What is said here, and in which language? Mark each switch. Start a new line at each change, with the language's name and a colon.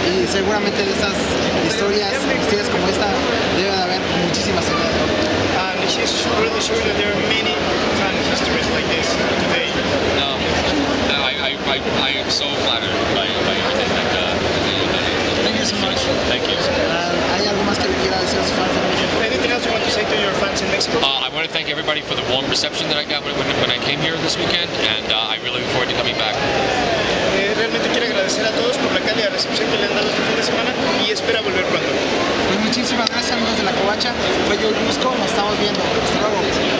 Spanish: Seguramente de estas historias, historias como esta, deben haber muchísimas en el mundo.
English: He's really sure that there are many fan histories like this today. No, I am so flattered by everything that thank you so much. Thank you.
Spanish: ¿Hay algo más que le quiera decir a sus fans?
English: I want to thank everybody for the warm reception that I got when I came here this weekend, and I really look forward to coming back.
Spanish: Realmente quiero agradecer a todos por la cálida recepción que le han dado este fin de semana y espero volver pronto. Pues muchísimas gracias, amigos de la Covacha. Fue yo, Jusko. Nos estamos viendo. Hasta luego.